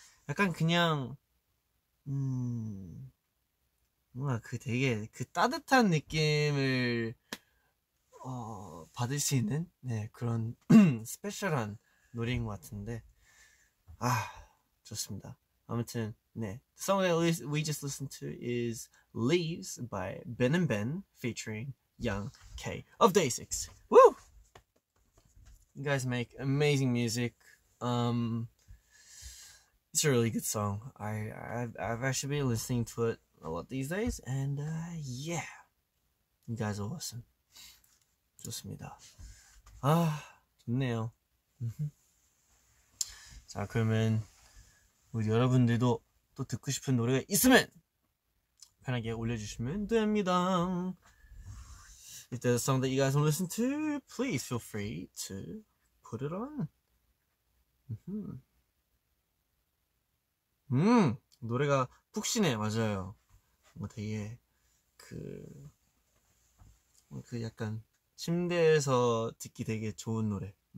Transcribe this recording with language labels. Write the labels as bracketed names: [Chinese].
[Korean] 약간 그냥 뭔가 그 되게 그 따뜻한 느낌을 받을 수 있는 네, 그런 스페셜한 노래인 것 같은데 아 좋습니다. 아무튼 네, [English] the song that we just listened to is Leaves by Ben and Ben featuring Young K of Day 6. Woo! You guys make amazing music. It's a really good song. I've actually been listening to it a lot these days. And yeah, you guys are awesome. [Korean] 좋습니다. 아, 좋네요. 자, 그러면 우리 여러분들도 또 듣고 싶은 노래가 있으면 편하게 올려주시면 됩니다. [English] If there's a song that you guys want to listen to, please feel free to put it on. [Korean] 노래가 푹신해, 맞아요. 뭐 되게 그 약간 침대에서 듣기 되게 좋은 노래.